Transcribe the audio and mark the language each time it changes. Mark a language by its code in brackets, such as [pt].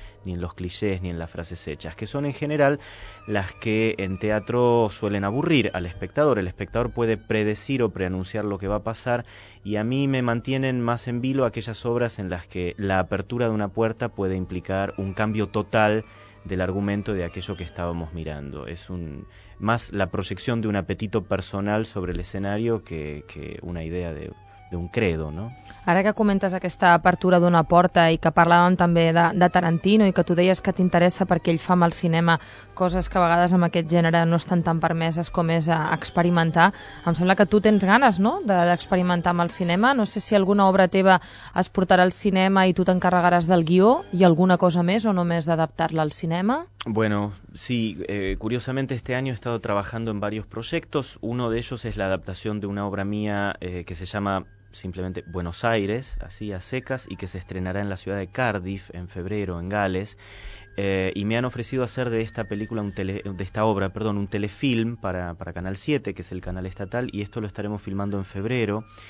[es] ni en los clichés ni en las frases hechas, que son en general las que en teatro suelen aburrir al espectador. El espectador puede predecir o preanunciar lo que va a pasar, y a mí me mantienen más en vilo aquellas obras en las que la apertura de una puerta puede implicar un cambio total del argumento de aquello que estábamos mirando. Es más la proyección de un apetito personal sobre el escenario que una idea de [ca] d'un credo, no? Ara que comentes aquesta apertura d'una porta i que parlàvem també de Tarantino i que tu deies que t'interessa perquè ell fa amb el cinema coses que a vegades amb aquest gènere no estan tan permeses com és a experimentar, em sembla que tu tens ganes, no?, d'experimentar amb el cinema. No sé si alguna obra teva es portarà al cinema i tu t'encarregaràs del guió i alguna cosa més o només d'adaptar-la al cinema. [es] Bueno, sí, curiosamente este año he estado trabajando en varios proyectos. Uno de ellos es la adaptación de una obra mía que se llama simplemente Buenos Aires, así a secas, y que se estrenará en la ciudad de Cardiff en febrero, en Gales. Y me han ofrecido hacer de esta película un telefilm para Canal 7, que es el canal estatal, y esto lo estaremos filmando en febrero.